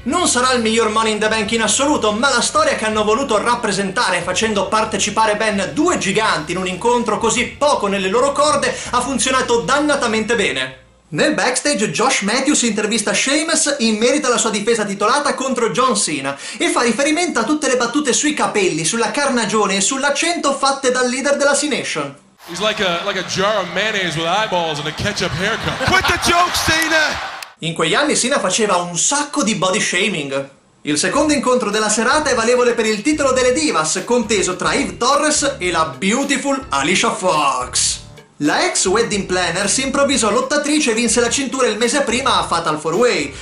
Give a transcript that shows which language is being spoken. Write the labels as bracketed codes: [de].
[it] Non sarà il miglior Money in the Bank in assoluto, ma la storia che hanno voluto rappresentare facendo partecipare ben due giganti in un incontro così poco nelle loro corde ha funzionato dannatamente bene. Nel backstage Josh Matthews intervista Sheamus in merito alla sua difesa titolata contro John Cena e fa riferimento a tutte le battute sui capelli, sulla carnagione e sull'accento fatte dal leader della C-Nation. [en] He's like a jar of mayonnaise with eyeballs and a ketchup haircut. Quit the joke, Cena! [it] In quegli anni Cena faceva un sacco di body shaming. Il secondo incontro della serata è valevole per il titolo delle Divas, conteso tra Eve Torres e la beautiful Alicia Fox. La ex wedding planner si improvvisò lottatrice e vinse la cintura il mese prima a Fatal 4-Way.